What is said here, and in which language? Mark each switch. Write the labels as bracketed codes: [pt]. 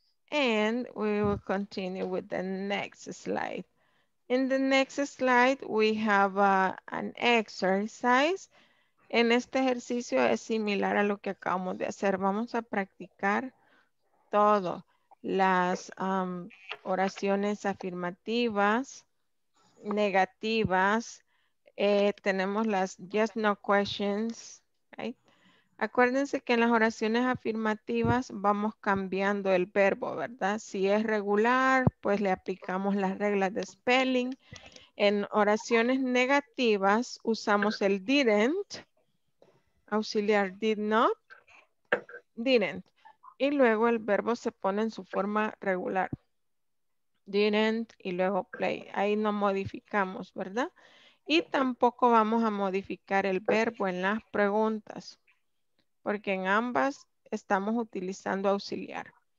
[en] And we will continue with the next slide. In the next slide, we have an exercise. [es] En este ejercicio es similar a lo que acabamos de hacer. Vamos a practicar todo. Las oraciones afirmativas, negativas. Tenemos las [en] yes, no questions. Right? [es] Acuérdense que en las oraciones afirmativas vamos cambiando el verbo, ¿verdad? Si es regular, pues le aplicamos las reglas de spelling. En oraciones negativas usamos el didn't, auxiliar did not, didn't. Y luego el verbo se pone en su forma regular. Didn't y luego play. Ahí no modificamos, ¿verdad? Y tampoco vamos a modificar el verbo en las preguntas. Porque en ambas estamos utilizando auxiliar.